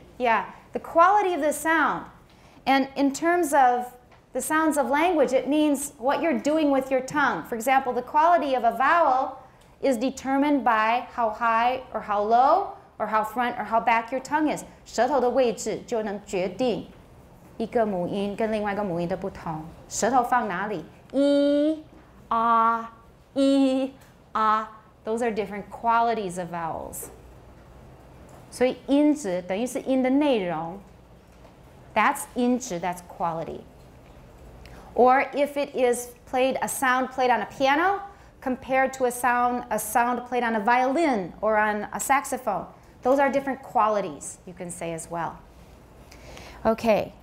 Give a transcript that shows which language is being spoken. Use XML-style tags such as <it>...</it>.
<en>Yeah, the quality of the sound. And in terms of the sounds of language, it means what you're doing with your tongue. For example, the quality of a vowel is determined by how high or how low or how front or how back your tongue is.</en> <zh>舌头的位置就能决定 一个母音跟另外一个母音的不同, 舌头放哪里?</zh> <en>E, ah, E, ah, those are different qualities of vowels.</en> <zh>所以音质等于是音的内容,</zh> <en>that's 音质, that's quality. Or if it is played, a sound played on a piano compared to a sound played on a violin or on a saxophone, those are different qualities, you can say as well. Okay.</en>